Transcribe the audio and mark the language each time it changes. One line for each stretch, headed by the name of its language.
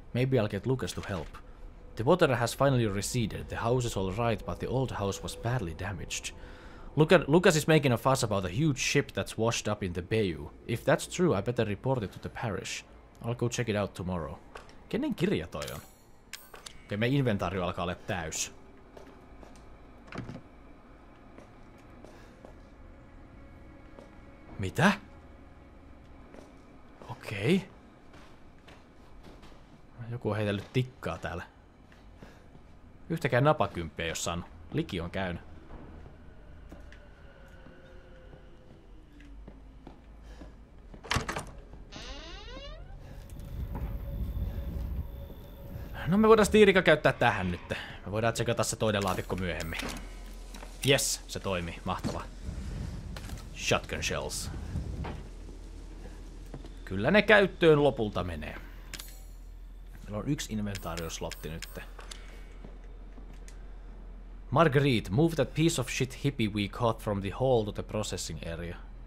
English: Maybe I'll get Lucas to help. The water has finally receded. The house is all right, but the old house was badly damaged. Lucas is making a fuss about a huge ship that's washed up in the bayou. If that's true, I better report it to the parish. I'll go check it out tomorrow.
Finnish: Kenen kirja toi on? Okei, meidän inventaari alkaa olla täys. Mitä? Okei. Joku on heitellyt tikkaa täällä. Yhtäkään napakymppiä jos saanut. Liki on käynyt. No me voidaan stiirika käyttää tähän nytte. Me voidaan tsekata se toinen laatikko myöhemmin. Yes, se toimi. Mahtava.
English: Shotgun shells.
Finnish: Kyllä ne käyttöön lopulta menee. Meillä on yksi inventaarioslotti nytte.
English: Marguerite, move that piece of shit hippie we caught from the hall to the processing area.